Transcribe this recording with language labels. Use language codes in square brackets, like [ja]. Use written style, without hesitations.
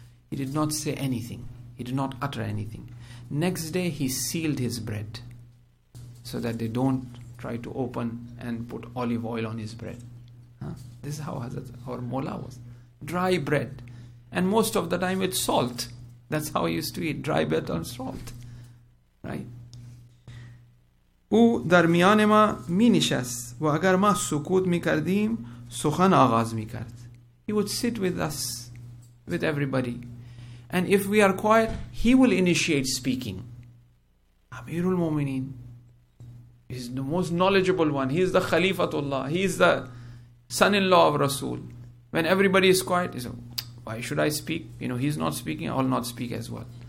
[en] He did not say anything. He did not utter anything. Next day he sealed his bread so that they don't try to open and put olive oil on his bread. This is how Hazrat our Mola was. Dry bread. And most of the time it's salt. That's how he used to eat dry bread on salt. Right? [fa] او در میان ما می نشست و اگر ما سکوت می کردیم سخن آغاز می کرد. [en] He would sit with us, with everybody. And if we are quiet, he will initiate speaking. Amirul Mu'mineen is the most knowledgeable one. He is the Khalifatullah. He is the son-in-law of Rasul. When everybody is quiet, he says, why should I speak? You know, he's not speaking, I'll not speak as well.